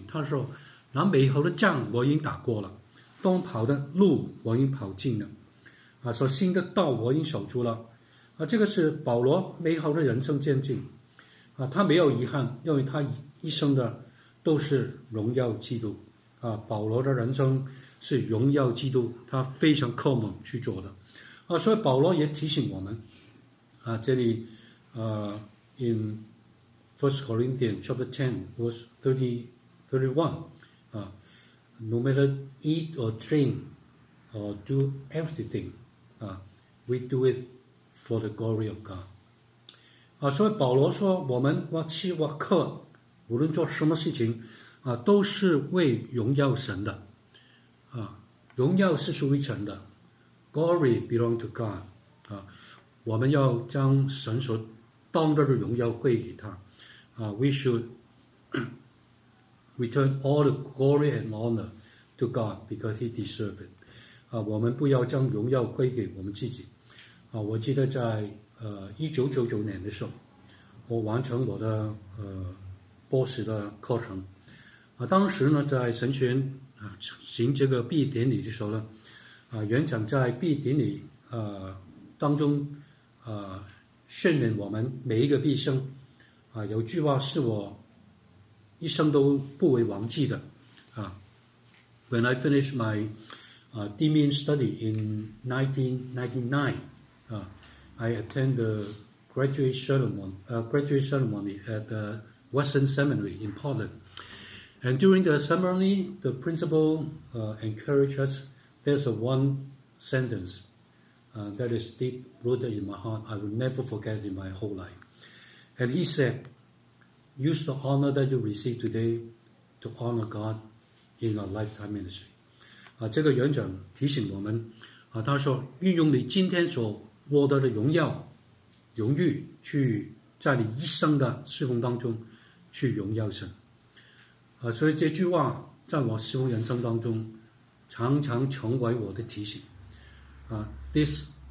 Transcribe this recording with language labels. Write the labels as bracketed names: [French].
[Chinese] 他说：“那美好的仗我已经打过了，当跑的路我已经跑尽了，啊，所信的道我已经守住了。” 啊，这个是保罗美好的人生见证。啊，他没有遗憾，因为他一生的都是荣耀基督啊。保罗的人生是荣耀基督，他非常渴望去做的啊。所以保罗也提醒我们啊，这里 [English] in 1 Corinthians chapter 10 verse 31 no matter eat or drink or do everything we do it for the glory of God 啊。 [Chinese] 所以保罗说我们或吃或喝无论做什么事情啊，都是为荣耀神的啊。荣耀是属于神的， [English] glory belong to God [Chinese] 啊。我们要将神所当着的荣耀归给他啊。 [English] We should return all the glory and honor to God because he deserves it 啊。 [Chinese] 我们不要将荣耀归给我们自己啊。我记得在1999年的时候，我完成我的博士的课程啊。当时呢，在神学院啊行这个毕业典礼的时候呢，啊，院长在毕业典礼当中训练我们每一个毕生啊，有句话是我一生都不会忘记的啊。 [English] When I finished my DMIN study in 1999, I attend the graduate ceremony at the Western Seminary in Portland. And during the ceremony, the principal encouraged us. There's a one sentence that is deep rooted in my heart. I will never forget in my whole life. And he said, use the honor that you receive today to honor God in a lifetime ministry. [Chinese] 这个院长提醒我们他说运用你今天所获得的荣耀荣誉去在你一生的侍奉当中去荣耀神所以这句话在我侍奉人生当中常常成为我的提醒 [English] This